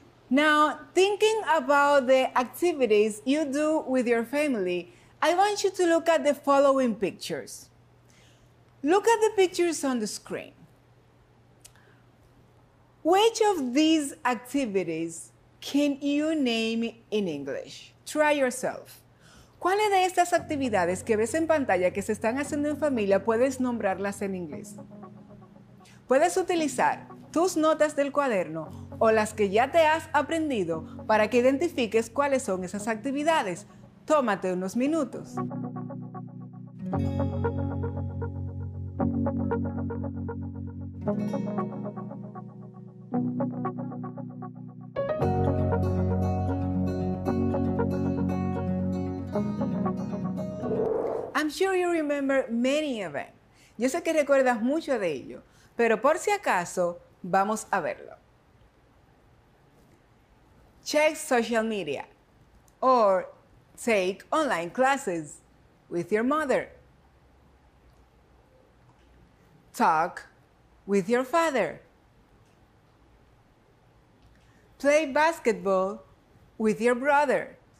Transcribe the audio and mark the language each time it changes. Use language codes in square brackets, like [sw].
[en] Now, thinking about the activities you do with your family, I want you to look at the following pictures. Look at the pictures on the screen. Which of these activities can you name in English? Try yourself. [es] ¿Cuáles de estas actividades que ves en pantalla que se están haciendo en familia puedes nombrarlas en inglés? Puedes utilizar tus notas del cuaderno o las que ya te has aprendido para que identifiques cuáles son esas actividades. Tómate unos minutos. [en] I'm sure you remember many of them. [es] Yo sé que recuerdas mucho de ello, pero por si acaso, vamos a verlo. [en] Check social media or take online classes with your mother. Talk with your father. Play basketball with your brother.